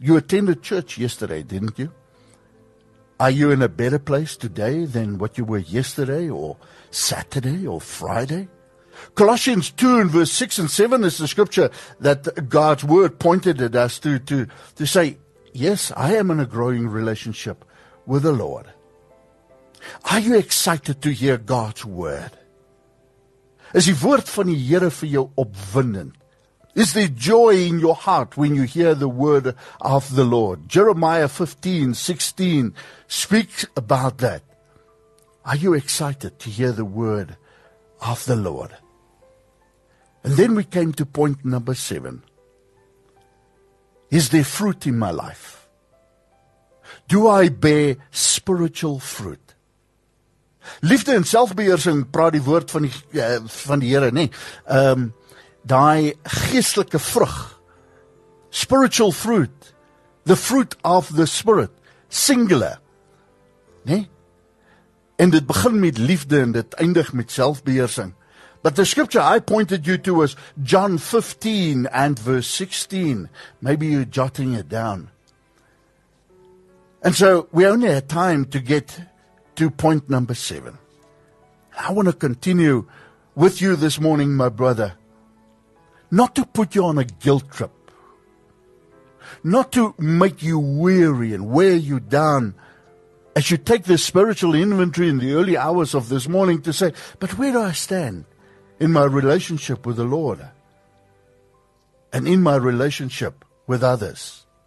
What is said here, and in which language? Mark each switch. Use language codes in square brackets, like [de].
[en] You attended church yesterday, didn't you? Are you in a better place today than what you were yesterday or Saturday or Friday? Colossians 2 and verse 6 and 7 is the scripture that God's Word pointed at us to say, yes, I am in a growing relationship with the Lord. Are you excited to hear God's Word? [af] Is die woord van die Here vir jou opwindend? [en] Is there joy in your heart when you hear the Word of the Lord? Jeremiah 15, 16 speaks about that. Are you excited to hear the Word of the Lord? And then we came to point number 7. Is there fruit in my life? Do I bear spiritual fruit? [af] Liefde en selfbeheersing praat die woord van die Here, nee. Daai geestelike vrug, [en] spiritual fruit, the fruit of the Spirit, singular, nee. [af] En dit begin met liefde en dit eindig met selfbeheersing. [en] But the scripture I pointed you to was John 15 and verse 16. Maybe you're jotting it down. And so we only had time to get to point number 7. I want to continue with you this morning, my brother, not to put you on a guilt trip, not to make you weary and wear you down as you take this spiritual inventory in the early hours of this morning to say, but where do I stand in my relationship with the Lord and in my relationship with others?